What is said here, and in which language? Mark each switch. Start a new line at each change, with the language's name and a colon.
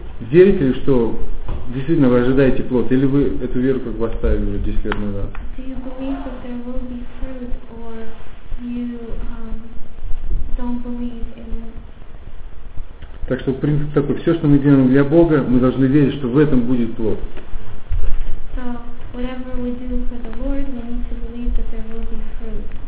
Russian: Верите ли, что действительно вы ожидаете плод, или вы эту веру как бы оставили уже 10 лет назад?
English: Do you believe that there will be fruit, or you don't believe in it?
Russian: Так что принцип такой, все, что мы делаем для Бога, мы должны верить, что в этом будет плод.
English: So, whatever we do for the Lord, we need to believe that there will be fruit.